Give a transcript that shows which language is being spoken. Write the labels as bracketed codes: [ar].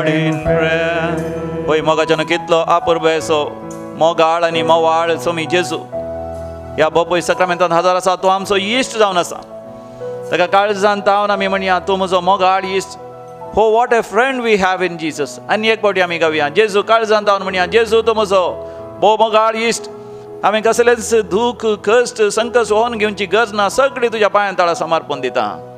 [kok] मोगाच्यान कितलो आपूर्ब येसो मोगाळ आनी मोवाळ स्वामी जेजू. ह्या बोपोय सक्रमेंतान हजार आसा, तो आमचो इश्ट जावन आसा. ताका काळजान तावन आमी म्हणया, तूं म्हजो मोगाळ इश्ट. [en] हो what a friend we have in Jesus. [kok] आनी एक पावटी आमी गावया, जेजू काळजान तावन म्हणया, जेजू तो म्हजो बो मोगाळ इश्ट. आमी कसलेच दूख कश्ट संकश होन घेवची गरज ना, सगळी तुज्या पांयां ताळा समर्पण दिता.